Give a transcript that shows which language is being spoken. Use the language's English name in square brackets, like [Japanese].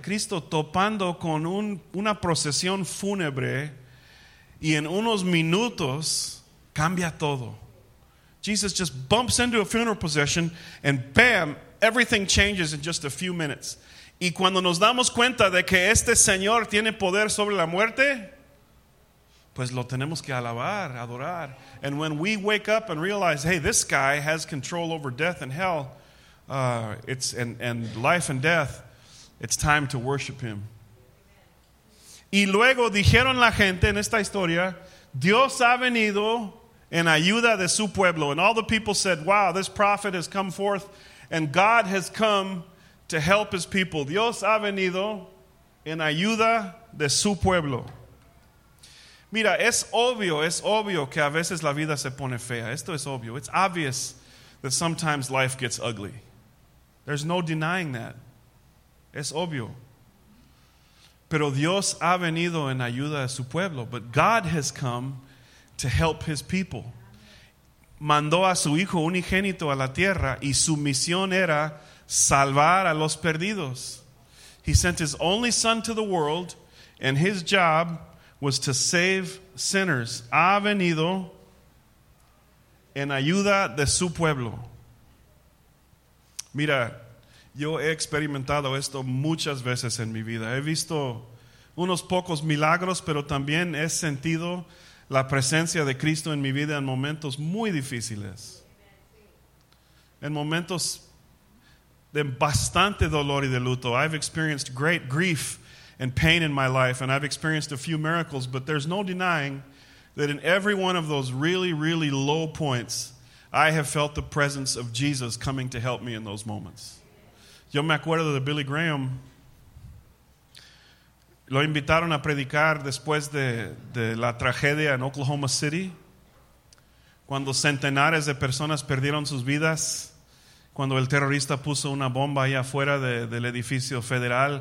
[Spanish] Cristo topando con una procesión fúnebre y en unos minutos cambia todo. [English] Jesus just bumps into a funeral procession and bam, everything changes in just a few minutes. [Spanish] Y cuando nos damos cuenta de que este Señor tiene poder sobre la muerte, pues lo tenemos que alabar, adorar. [English] And when we wake up and realize, hey, this guy has control over death and hell, life and death, it's time to worship him. [Spanish] Y luego dijeron la gente en esta historia, Dios ha venido en ayuda de su pueblo. [English] And all the people said, wow, this prophet has come forth and God has come to help his people. [Spanish] Dios ha venido en ayuda de su pueblo. Mira, es obvio que a veces la vida se pone fea. Esto es obvio. [English] It's obvious that sometimes life gets ugly. There's no denying that. [Spanish] Es obvio. Pero Dios ha venido en ayuda de su pueblo. [English] But God has come to help his people. [Spanish] Mandó a su hijo unigénito a la tierra y su misión era salvar a los perdidos. [English] He sent his only son to the world and his job was to save sinners. [Spanish] Ha venido en ayuda de su pueblo. Mira, yo he experimentado esto muchas veces en mi vida. He visto unos pocos milagros, pero también he sentido la presencia de Cristo en mi vida en momentos muy difíciles. En momentos de bastante dolor y de luto. [English] I've experienced great grief and pain in my life, and I've experienced a few miracles, but there's no denying that in every one of those really, really low points, I have felt the presence of Jesus coming to help me in those moments. [Spanish] Yo me acuerdo de Billy Graham. Lo invitaron a predicar después de la tragedia en Oklahoma City, cuando centenares de personas perdieron sus vidas, cuando el terrorista puso una bomba ahí afuera del edificio federal.